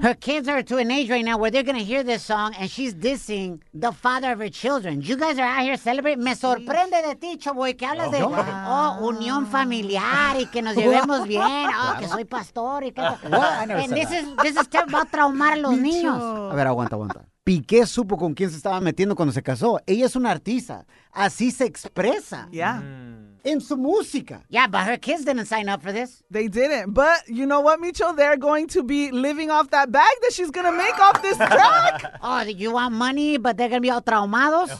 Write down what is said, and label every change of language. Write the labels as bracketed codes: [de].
[en] Her kids are to an age right now where they're going to hear this song, and she's dissing the father of her children. You guys are out here celebrating. [es] Me sorprende de ti, chavoy, que hablas de unión familiar y que nos llevemos bien. Oh, que soy pastor y que... [en] This is about [es] traumar a los niños. A ver, aguanta. Piqué supo con quién se estaba metiendo cuando se casó. Ella es una artista. Así se expresa. [en] Yeah. [es] En su música. [en] Yeah, but her kids didn't sign up for this. They didn't. But you know what, Micho? They're going to be living off that bag that she's going to make off this track. Oh, you want money, but they're going to be all [es] traumados?